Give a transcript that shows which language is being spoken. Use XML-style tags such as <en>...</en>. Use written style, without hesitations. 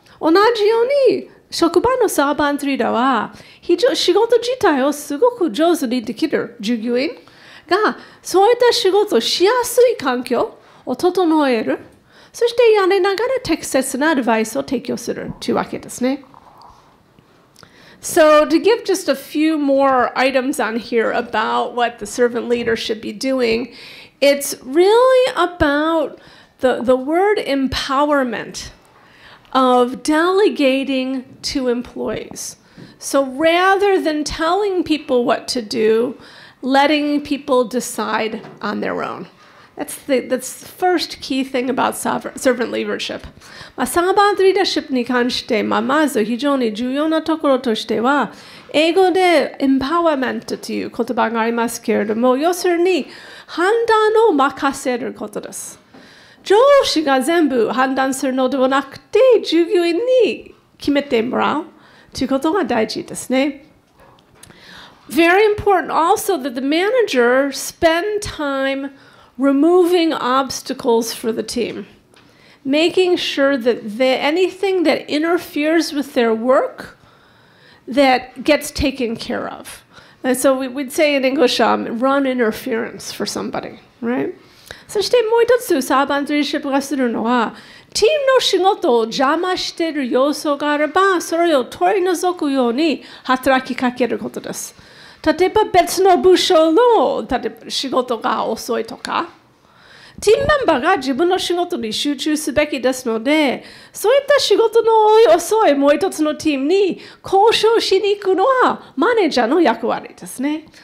<ja>同じように職場のサーバントリーダーは非常仕事自体をすごく上手にできる従業員がそういった仕事をしやすい環境を整える、そしてやりながら適切なアドバイスを提供するというわけですね。</ja> <en>So to give just a few more items on here about what the servant leader should be doing, it's really about the word empowerment of delegating to employees. So rather than telling people what to do, letting people decide on their own. That's the first key thing about servant leadership.</en> <ja>Servant leadership に関して、まあ、まず非常に重要なところとしては、英語でエンパワーメントという言葉がありますけれども、要するに判断を任せることです。上司が全部判断するのではなくて、従業員に決めてもらうということが大事ですね。</ja> <en>Very important also that the manager spend time removing obstacles for the team, making sure that anything that interferes with their work that gets taken care of. And so we'd say in English, run interference for somebody, right?</en> <ja>そしてもう一つ、サーバントリーシップがするのは、チームの仕事を邪魔している要素があれば、それを取り除くように働きかけることです。例えば別の部署の例えば仕事が遅いとか、チームメンバーが自分の仕事に集中すべきですので、そういった仕事の遅いもう一つのチームに交渉しに行くのはマネージャーの役割ですね。</ja>